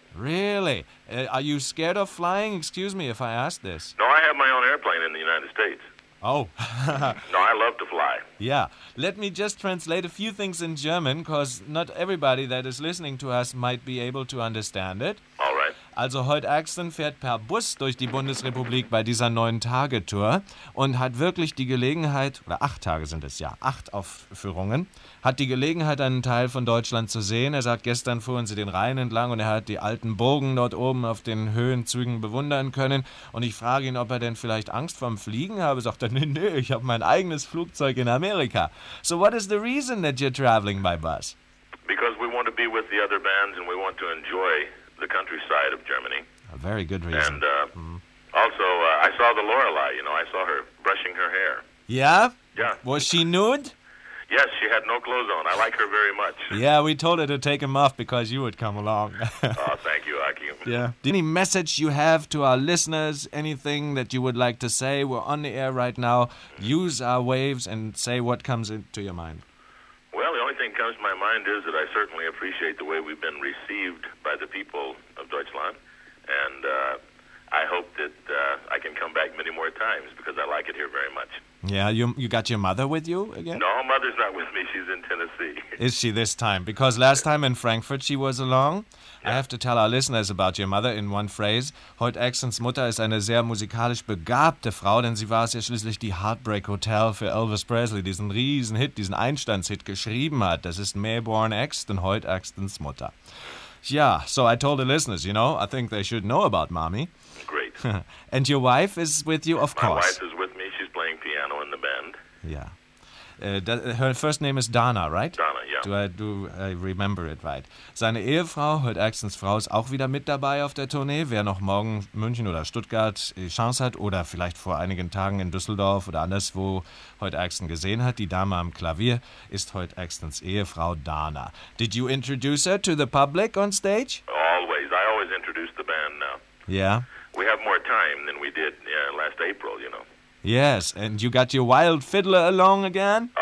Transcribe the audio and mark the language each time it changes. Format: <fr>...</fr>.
<en>Really? Are you scared of flying? Excuse me if I ask this. No, I have my own airplane in the United States. Oh. No, I love to fly. Yeah. Let me just translate a few things in German, because not everybody that is listening to us might be able to understand it. All right.</en> <de>Also, heute Axton fährt per Bus durch die Bundesrepublik bei dieser 9-Tage-Tour und hat wirklich die Gelegenheit, oder 8 Tage sind es ja, 8 Aufführungen, hat die Gelegenheit, einen Teil von Deutschland zu sehen. Er sagt, gestern fuhren sie den Rhein entlang und er hat die alten Burgen dort oben auf den Höhenzügen bewundern können. Und ich frage ihn, ob er denn vielleicht Angst vorm Fliegen habe. Sagt er, nee, ich habe mein eigenes Flugzeug in Amerika.</de> <en>So what is the reason that you're traveling by bus? Because we want to be with the other bands and we want to enjoy the countryside of Germany. A very good reason. And also, I saw the Lorelei, you know, I saw her brushing her hair. Yeah? Yeah. Was she nude? Yes, she had no clothes on. I like her very much. Yeah, we told her to take them off because you would come along. Oh, thank you, Aki. Yeah. Any message you have to our listeners, anything that you would like to say? We're on the air right now. Use our waves and say what comes into your mind. Well, the only thing that comes to my mind is that I certainly appreciate the way we've been received by the people of Deutschland. And I hope that I can come back many more times because I like it here very much. Yeah, you got your mother with you again? No, mother's not with me. She's in Tennessee. Is she this time? Because last time in Frankfurt she was along. Yeah. I have to tell our listeners about your mother in one phrase.</en> <de>Heute Axtons Mutter ist eine sehr musikalisch begabte Frau, denn sie war es ja schließlich, die Heartbreak Hotel für Elvis Presley, diesen riesen Hit, diesen Einstandshit geschrieben hat. Das ist Mayborn Axton, heute Axtons Mutter.</de> <en>Yeah, so I told the listeners, you know, I think they should know about mommy. Great. And your wife is with you, of course. My wife is with me. She's playing piano in the band. Yeah. Her first name is Dana, right? Dana, yeah. Do I remember it right?</en> <de>Seine Ehefrau, heute Axtons Frau, ist auch wieder mit dabei auf der Tournee. Wer noch morgen München oder Stuttgart die Chance hat oder vielleicht vor einigen Tagen in Düsseldorf oder anderswo heute Axton gesehen hat, die Dame am Klavier ist heute Axtons Ehefrau Dana.</de> <en>Did you introduce her to the public on stage? Always. I always introduce the band now. Yeah? We have more time than we did last April, you know. Yes, and you got your wild fiddler along again?</en>